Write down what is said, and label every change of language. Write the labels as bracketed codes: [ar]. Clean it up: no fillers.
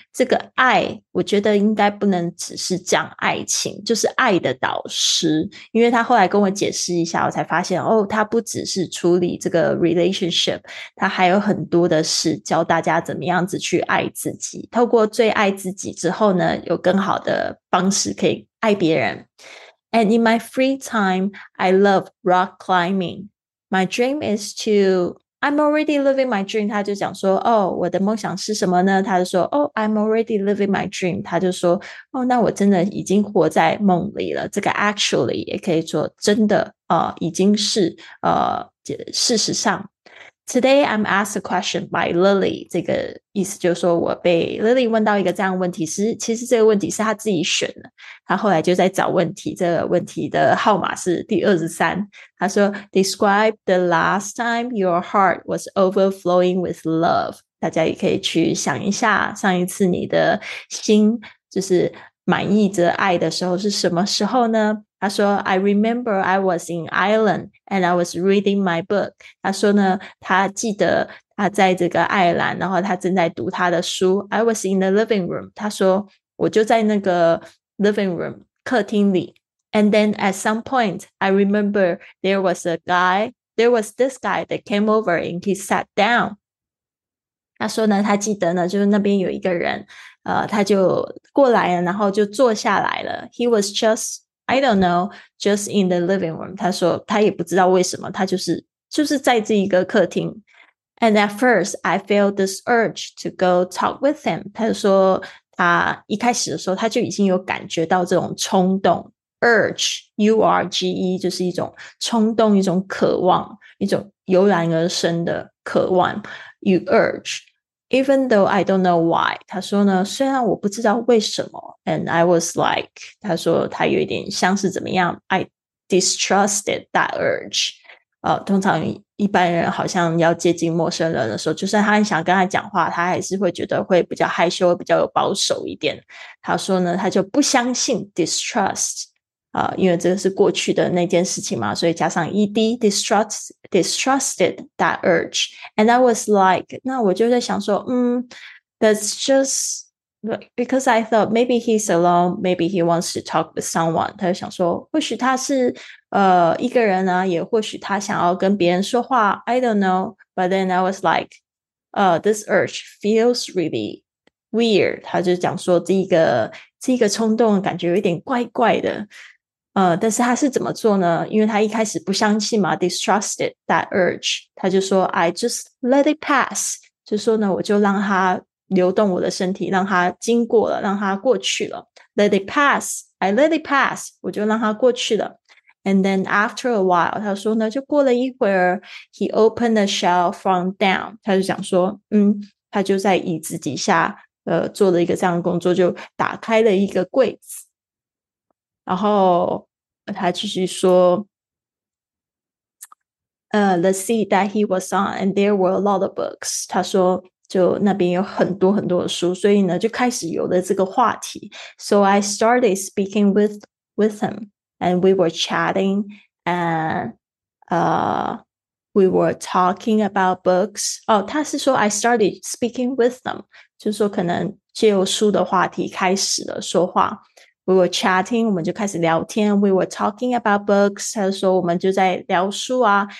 [zh] 这个爱我觉得应该不能只是讲爱情，就是爱的导师，因为他后来跟我解释一下我才发现哦，他不只是处理这个 relationship， 他还有很多的事教大家怎么样子去爱自己，透过最爱自己之后呢有更好的方式可以爱别人。 [en] And in my free time I love rock climbing. My dream is toI'm already living my dream. [zh] 他就讲说哦，我的梦想是什么呢？他就说哦， [en] I'm already living my dream. [zh] 他就说哦，那我真的已经活在梦里了。这个 actually 也可以说真的已经是事实上。 [en] Today I'm asked a question by Lily. [zh] 这个意思就是说我被 Lily 问到一个这样的问题，其实这个问题是他自己选的。他后来就在找问题，这个问题的号码是第23。他说 [en] Describe the last time your heart was overflowing with love. [zh] 大家也可以去想一下上一次你的心就是满溢着爱的时候是什么时候呢？ [en] 他说 I remember I was in Ireland and I was reading my book. [zh] 他说呢他记得他在这个爱尔兰，然后他正在读他的书。 [en] I was in the living room. [zh] 他说我就在那个 living room 客厅里。 [en] And then at some point I remember there was this guy that came over and he sat down. [zh] 他说呢他记得呢就是那边有一个人他就过来了，然后就坐下来了。 [en] He was justI don't know, just in the living room. [zh] 他说他也不知道为什么，他就是在这一个客厅。 [en] And at first, I felt this urge to go talk with him. [zh] 他就说他一开始的时候他就已经有感觉到这种冲动。 Urge, U-R-G-E, 就是一种冲动，一种渴望，一种油然而生的渴望。 [en] You urge. Even though I don't know why, [zh] 他说呢，虽然我不知道为什么。 [en] And I was like, [zh] 他说他有一点像是怎么样， [en] I distrusted that urge. [zh] 通常一般人好像要接近陌生人的时候，就算他很想跟他讲话，他还是会觉得会比较害羞，会比较有保守一点。他说呢，他就不相信 distrust, 因为这个是过去的那件事情嘛，所以加上 ed, [en] distrusted that urge. And I was like, [zh] 那我就在想说 [en] that's just because I thought maybe he's alone, maybe he wants to talk with someone. [zh] 他就想说或许他是一个人啊，也或许他想要跟别人说话， [en] I don't know. But then I was like, this urge feels really weird. [zh] 他就讲说这个冲动感觉有点怪怪的。但是他是怎么做呢？因为他一开始不相信嘛， [en] distrusted that urge. [zh] 他就说 [en] I just let it pass. [zh] 就说呢我就让他流动我的身体，让它经过了，让它过去了。 [en] Let it pass, I let it pass, [zh] 我就让它过去了。 [en] And then after a while, [zh] 他说呢，就过了一会儿 ， [en] He opened the shelf from down, [zh] 他就讲说，嗯，他就在椅子底下，做了一个这样的工作，就打开了一个柜子。然后他继续说。 [en] The seat that he was on, and there were a lot of books. [zh] 他说，就那边有很多很多的书，所以呢，就开始有了这个话题。 [en] So I started speaking with him, and we were chatting, and we were talking about books. [zh] 哦，他是说 [en] I started speaking with them, [zh] 就是说可能借由书的话题开始了说话。 [en] We were chatting, [zh] 我们就开始聊天。 [en] We were talking about books, [zh] 他说我们就在聊书啊。